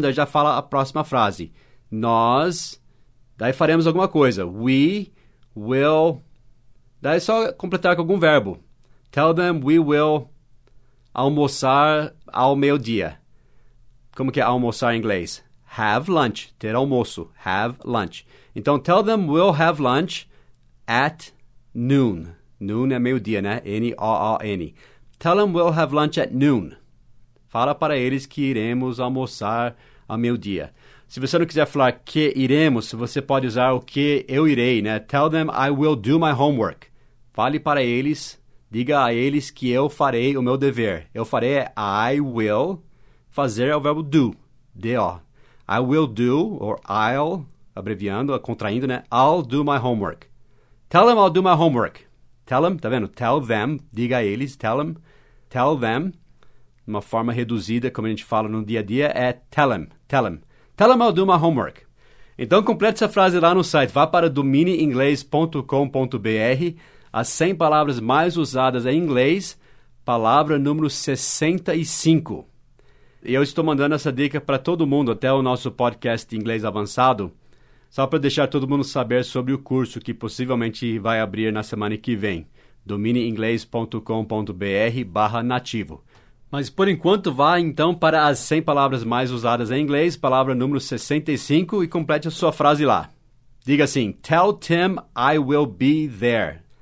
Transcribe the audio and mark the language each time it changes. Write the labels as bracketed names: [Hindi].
[Portuguese] Daí já fala a próxima frase. Nós. Daí faremos alguma coisa. [English] We will. [Portuguese] Daí é só completar com algum verbo. [English] Tell them we will [Portuguese] almoçar ao meio-dia. Como que é almoçar em inglês? [English] Have lunch. [Portuguese] Ter almoço. [English] Have lunch. [Portuguese] Então, [English] tell them we'll have lunch at noon. Noon [Portuguese] é meio-dia, né? [English] N-O-O-N. Tell them we'll have lunch at noon. [Portuguese] Fala para eles que iremos almoçar ao meio-dia. Se você não quiser falar que iremos, você pode usar o que eu irei, né? [English] Tell them I will do my homework. [Portuguese] Fale para eles, diga a eles que eu farei o meu dever. Eu farei é [English] I will [Portuguese] fazer o verbo do. [English] D-O. I will do, or I'll, [Portuguese] abreviando, contraindo, né? [English] I'll do my homework. Tell them I'll do my homework. Tell them, [Portuguese] tá vendo? [English] Tell them, [Portuguese] diga a eles, [English] tell them, tell them. [Portuguese] Uma forma reduzida, como a gente fala no dia a dia, é [English] tell them, tell them. Tell them I'll do my homework. [Portuguese] Então, complete essa frase lá no site. Vá para domineinglês.com.br, as 100 palavras mais usadas em inglês, palavra número 65. E eu estou mandando essa dica para todo mundo, até o nosso podcast Inglês Avançado, só para deixar todo mundo saber sobre o curso que possivelmente vai abrir na semana que vem. domineinglês.com.br/nativo. Mas por enquanto vá então para as 100 palavras mais usadas em inglês, palavra número 65, e complete a sua frase lá. Diga assim, [English] tell Tim I will be there.